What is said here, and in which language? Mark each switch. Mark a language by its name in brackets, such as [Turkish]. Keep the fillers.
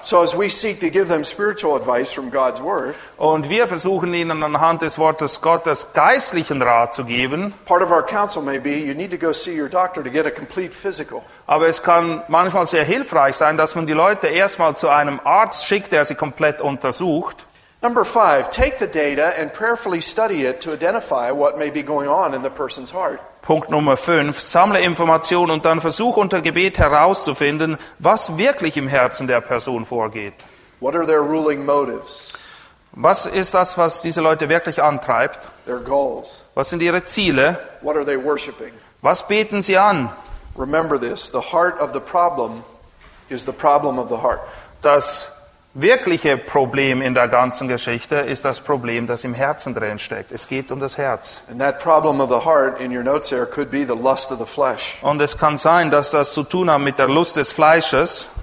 [English] So as word, [German] Und wir versuchen ihnen anhand des Wortes Gottes geistlichen Rat zu geben. Be, Aber es kann manchmal sehr hilfreich sein, dass man die Leute erstmal zu einem Arzt schickt, der sie komplett untersucht. [English] Number five, take the data and prayerfully study it to identify what may be going on in the person's heart. [German] Punkt Nummer 5. Sammle Informationen und dann versuche unter Gebet herauszufinden, was wirklich im Herzen der Person vorgeht. [English] What are their ruling motives? [German] Was ist das, was diese Leute wirklich antreibt? [English] Their goals. [German] Was sind ihre Ziele? [English] What are they worshiping? [German] Was beten sie an? [English] Remember this, the heart of the problem is the problem of the heart. [German] Das wirkliche Problem in der ganzen Geschichte ist das Problem, das im Herzen drin steckt. Es geht um das Herz. Und das kann sein, dass das zu tun hat mit der Lust des Fleisches.